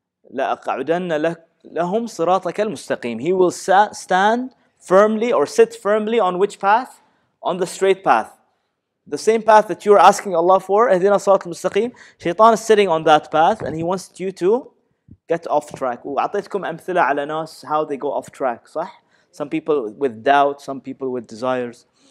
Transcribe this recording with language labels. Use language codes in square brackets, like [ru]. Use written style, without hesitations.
[ar] لا أقعدن لهم صراطك المستقيم. [en] He will stand firmly or sit firmly on which path? On the straight path. The same path that you are asking Allah for. [ar] اهدنا صراط المستقيم. [en] شيطان is sitting on that path and he wants you to get off track. [ar] وعطيتكم أمثلة على ناس [en] how they go off track. صح؟ Some people with doubt, some people with desires.